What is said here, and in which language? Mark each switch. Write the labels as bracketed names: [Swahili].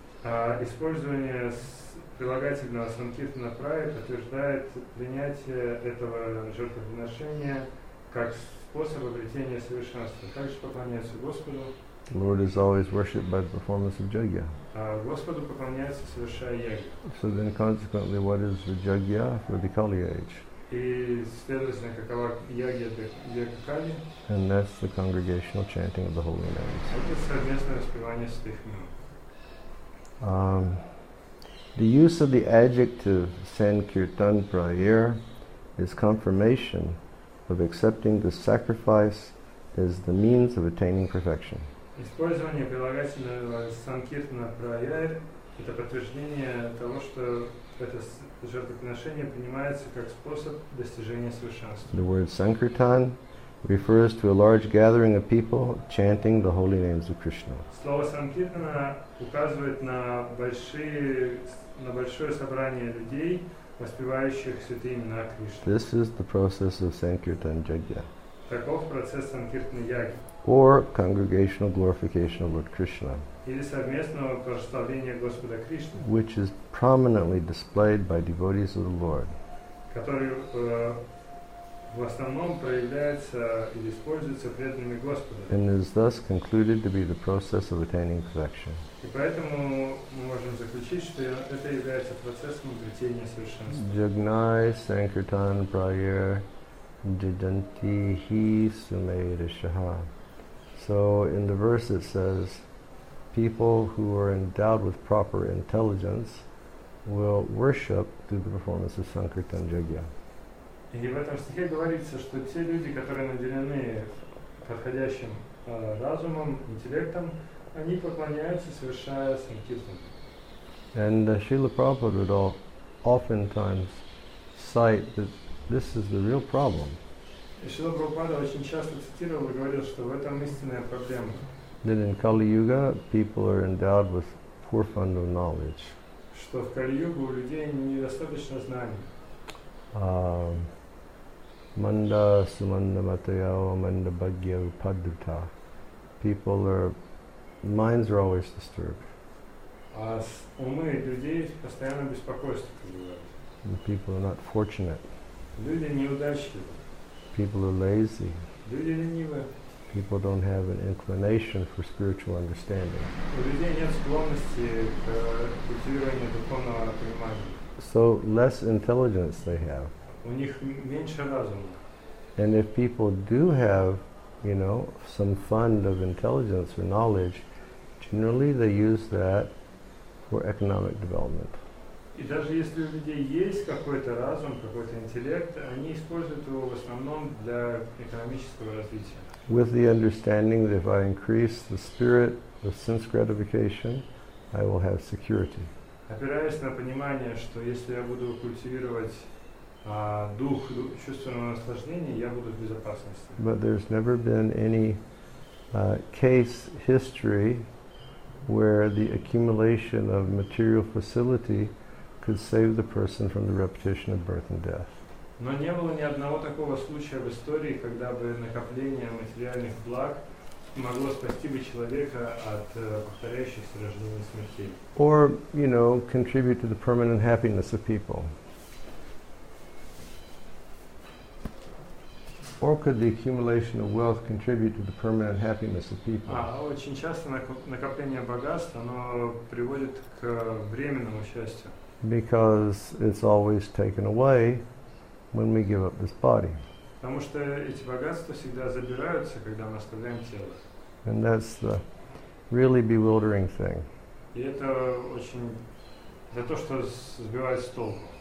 [Russian] Использование прилагательного санкиртна прая подтверждает принятие этого жертвоприношения как способ обретения совершенства. Как же поклоняется Господу? [English] The Lord is always worshipped by the performance of jagya. [Russian] Господу поклоняется, совершая яги. [English] So then consequently, what is the jagya for the Kali Age? [Russian] И следовательно, какова яги для Кали? [English] And that's the congregational chanting of the holy names. [Russian] Это совместное воспевание святых имен. [English] The use of the adjective Sankirtan Prayer is confirmation of accepting the sacrifice as the means of attaining perfection. [Russian] Использование прилагательного Sankirtan Prayer – это подтверждение того, что это жертвоприношение принимается как способ достижения совершенства. [English] The word Sankirtan refers to a large gathering of people chanting the holy names of Krishna. [Russian] Слово Sankirtana указывает на большое собрание людей, воспевающих святые имена Кришны. [English] This is the process of Sankirtan Jagya. [Russian] Таков процесс Sankirtana Yagi. [English] Or congregational glorification of Lord Krishna. [Russian] Или совместного прославления Господа Кришны. [English] Which is prominently displayed by devotees of the Lord. [Russian] Который в основном проявляется или используется преданными Господа. [English] And is thus concluded to be the process of attaining perfection. [Russian] И поэтому мы можем заключить, что это является процессом обретения совершенства. [Sanskrit] Jagnai Sankirtan Prayer Jidanti Hi Sumedashaha. [English] So in the verse it says, people who are endowed with proper intelligence will worship through the performance of Sankirtan Yajna. [Russian] И в этом стихе говорится, что те люди, которые наделены подходящим разумом, интеллектом, они поклоняются, совершая санкиртан. [English] And Srila Prabhupada would oftentimes cite that this is the real problem. [Russian] Srila Prabhupada очень часто цитировал и говорил, что в этом истинная проблема. [English] That in Kali Yuga, people are endowed with poor fund of knowledge. [Russian] Что в Кали Югу у людей недостаточно знаний. [Sanskrit] Manda sumanda matayao manda bhagya upadruta. [English] People are, minds are always disturbed. And people are not fortunate. [Russian] Люди неудачливы. [English] People are lazy. [Russian] Люди ленивы. [English] People don't have an inclination for spiritual understanding. [Russian] У людей нет склонности к культивированию духовного понимания. [English] So less intelligence they have. [Russian] У них меньше разума. [English] And if people do have, you know, some fund of intelligence or knowledge, generally they use that for economic development. [Russian] И даже если у людей есть какой-то разум, какой-то интеллект, они используют его в основном для экономического развития. [English] With the understanding that if I increase the spirit, the sense gratification, I will have security. [Russian] Опираясь на понимание, что если я буду культивировать дух чувственного наслаждения, я буду в безопасности. [English] But there's never been any case history where the accumulation of material facility could save the person from the repetition of birth and death. [Russian] Но не было ни одного такого случая в истории, когда бы накопление материальных благ могло спасти бы человека от повторяющихся рождений и смертей. [English] Or, you know, contribute to the permanent happiness of people. Or could the accumulation of wealth contribute to the permanent happiness of people? [Russian] Очень часто накопление богатства, оно приводит к временному счастью. [English] Because it's always taken away when we give up this body. [Russian] Потому что эти богатства всегда забираются, когда мы оставляем тело. [English] And that's the really bewildering thing. [Russian] И это очень, это то, что сбивает с толку.